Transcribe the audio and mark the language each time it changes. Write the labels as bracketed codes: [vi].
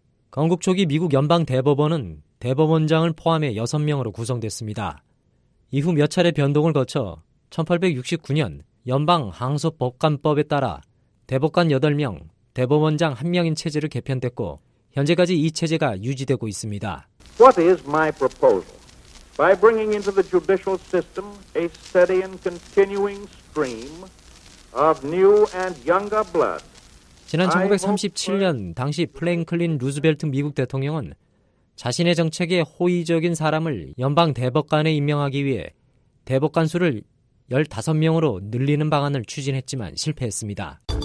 [ko] 건국 초기 미국 연방대법원은 대법원장을 포함해 6명으로 구성됐습니다. 이후 몇 차례 변동을 거쳐 1869년 연방항소법관법에 따라 대법관 8명, 대법원장 1명인 체제를 개편됐고 현재까지 이 체제가 유지되고 있습니다. [en] What is my proposal? By bringing into the judicial system a steady and continuing stream of new and younger blood. [ko] 지난 1937년 당시 프랭클린 루즈벨트 미국 대통령은 자신의 정책에 호의적인 사람을 연방 대법관에 임명하기 위해 대법관 수를 15명으로 늘리는 방안을 추진했지만 실패했습니다.